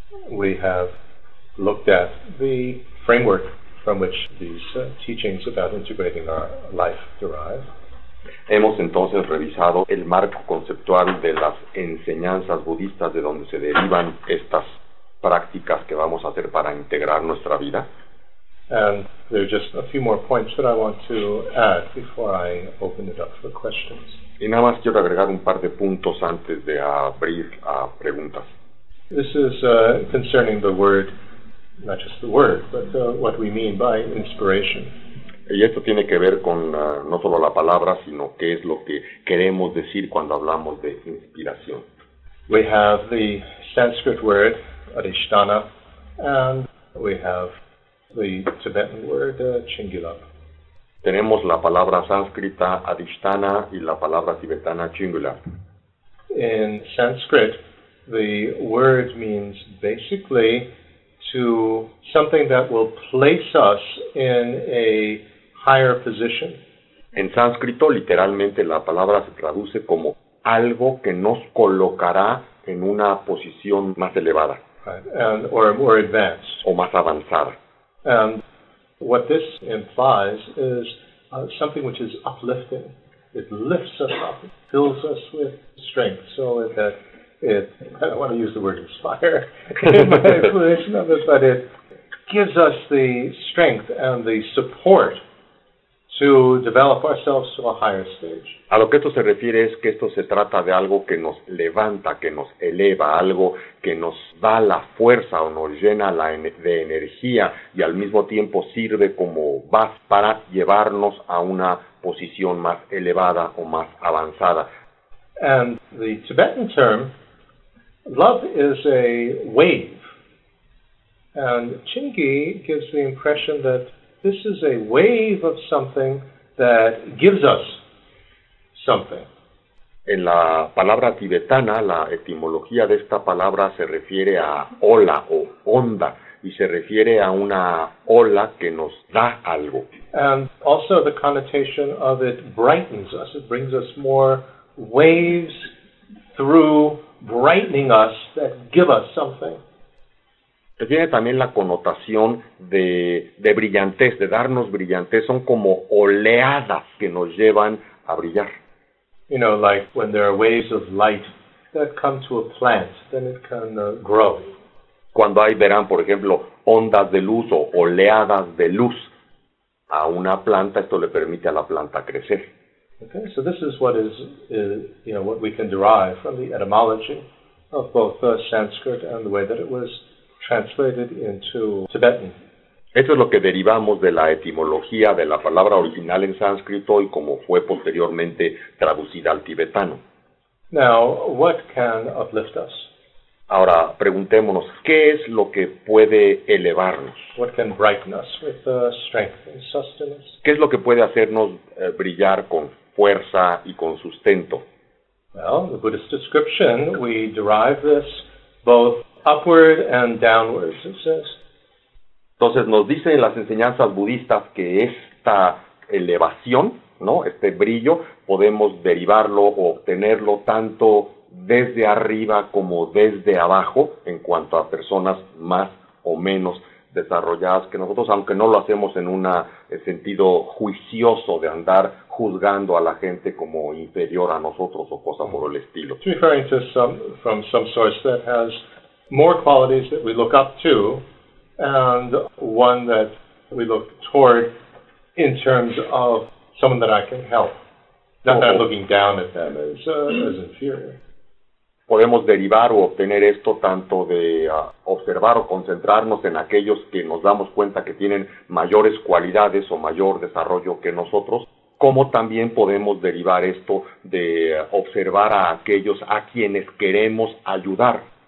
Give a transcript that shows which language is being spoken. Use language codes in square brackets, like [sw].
[en] we have looked at the framework from which these teachings about integrating our life derive. [es] Hemos entonces revisado el marco conceptual de las enseñanzas budistas de donde se derivan estas prácticas que vamos a hacer para integrar nuestra vida. [en] And there are just a few more points that I want to add before I open it up for questions. [es] Y nada más quiero agregar un par de puntos antes de abrir a preguntas. [en] This is concerning the word, not just the word, but what we mean by inspiration. [es] Y esto tiene que ver con no solo la palabra, sino qué es lo que queremos decir cuando hablamos de inspiración. [en] We have the Sanskrit word adhisthana, and we have the Tibetan word chingulap. [es] Tenemos la palabra sánscrita adhisthana y la palabra tibetana chingulap. [en] In Sanskrit, the word means basically to something that will place us in a higher position. [es] En sánscrito, literalmente, la palabra se traduce como algo que nos colocará en una posición más elevada. [en] Right. And, or more advanced. [es] O más avanzada. [en] And what this implies is something which is uplifting. It lifts us up, it fills us with strength. So that it, I don't want to use the word inspire in my explanation of it, but it gives us the strength and the support to develop ourselves to a higher stage. [es] A lo que esto se refiere es que esto se trata de algo que nos levanta, que nos eleva, algo que nos da la fuerza o nos llena de energía y al mismo tiempo sirve como base para llevarnos a una posición más elevada o más avanzada. [en] And the Tibetan term, love is a wave. And Chingi gives the impression that this is a wave of something that gives us something. [es] En la palabra tibetana, la etimología de esta palabra se refiere a ola o onda, y se refiere a una ola que nos da algo. [en] And also the connotation of it brightens us. It brings us more waves through brightening us that give us something. [es] Tiene también la connotación de brillantez, de darnos brillantez. Son como oleadas que nos llevan a brillar. [en] You know, like when there are waves of light that come to a plant, then it can grow. [es] Cuando hay, verán, por ejemplo, ondas de luz o oleadas de luz a una planta, esto le permite a la planta crecer. [en] Okay, so this is what is you know, what we can derive from the etymology of both Sanskrit and the way that it was translated into Tibetan. [es] Esto es lo que derivamos de la etimología de la palabra original en sánscrito y como fue posteriormente traducida al tibetano. [en] Now, what can uplift us? [es] Ahora, preguntémonos, ¿qué es lo que puede elevarnos? [en] What can brighten us with strength and sustenance? [es] ¿Qué es lo que puede hacernos brillar con fuerza y con sustento? [en] Well, the Buddhist description, we derive this both upward and downwards, it says. [es] Entonces nos dicen las enseñanzas budistas que esta elevación, ¿no? Este brillo, podemos derivarlo o obtenerlo tanto desde arriba como desde abajo en cuanto a personas más o menos desarrolladas que nosotros, aunque no lo hacemos en un sentido juicioso de andar juzgando a la gente como inferior a nosotros o cosa por el estilo. [en] It's referring to some, from some source that has more qualities that we look up to and one that we look toward in terms of someone that I can help. Not that looking down at them is as inferior. [es] Podemos derivar o obtener esto tanto de observar o concentrarnos en aquellos que nos damos cuenta que tienen mayores cualidades o mayor desarrollo que nosotros, como también podemos derivar esto de observar a aquellos a quienes queremos ayudar.